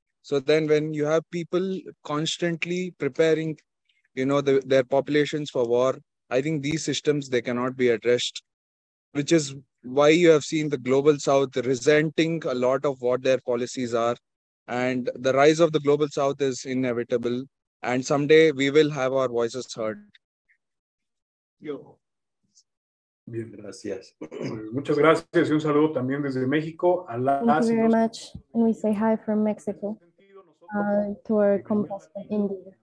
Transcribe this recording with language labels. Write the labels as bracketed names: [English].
[English] So then when you have people constantly preparing, you know, their populations for war, I think these systems, they cannot be addressed, which is why you have seen the Global South resenting a lot of what their policies are. And the rise of the Global South is inevitable. And someday we will have our voices heard. [Spanish] Yo. Bien, gracias. Muchas gracias y un saludo también desde México. [English] Thank you very much. And we say hi from Mexico to our compas in India.